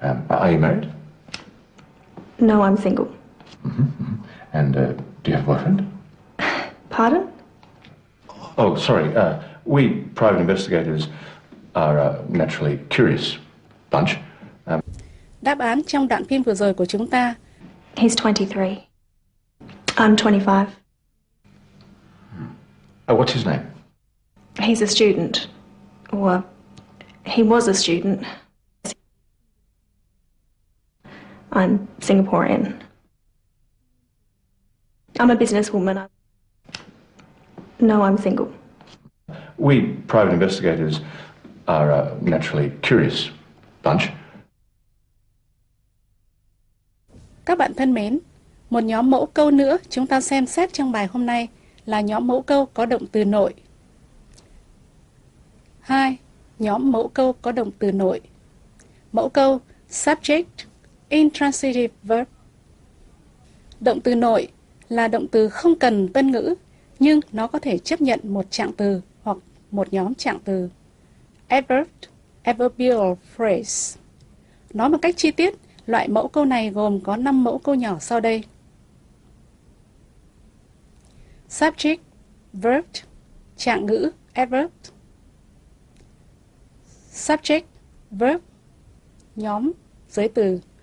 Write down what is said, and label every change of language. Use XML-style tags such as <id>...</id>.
<en>Are you married? No, I'm single. And do you have a boyfriend? Pardon? Oh, sorry. We private investigators are a naturally curious bunch.</en> <vi>Đáp án trong đoạn phim vừa rồi của chúng ta.</vi> <en>He's 23. I'm 25. What's his name? He's a student. Or he was a student. I'm Singaporean. I'm a businesswoman. No, I'm single. We private investigators are a naturally curious bunch.</en> <vi>Các bạn thân mến, một nhóm mẫu câu nữa chúng ta xem xét trong bài hôm nay là nhóm mẫu câu có động từ nội. Hai, nhóm mẫu câu có động từ nội. Mẫu câu</vi> <en>subject, intransitive verb.</en> <vi>Động từ nội là động từ không cần tân ngữ, nhưng nó có thể chấp nhận một trạng từ hoặc một nhóm trạng từ.</vi> <en>Adverb, adverbial phrase.</en> <vi>Nói một cách chi tiết, loại mẫu câu này gồm có 5 mẫu câu nhỏ sau đây.</vi> <en>Subject, verb,</en> <vi>trạng ngữ,</vi> <en>adverb. Subject, verb,</en> <vi>nhóm, giới từ.</vi>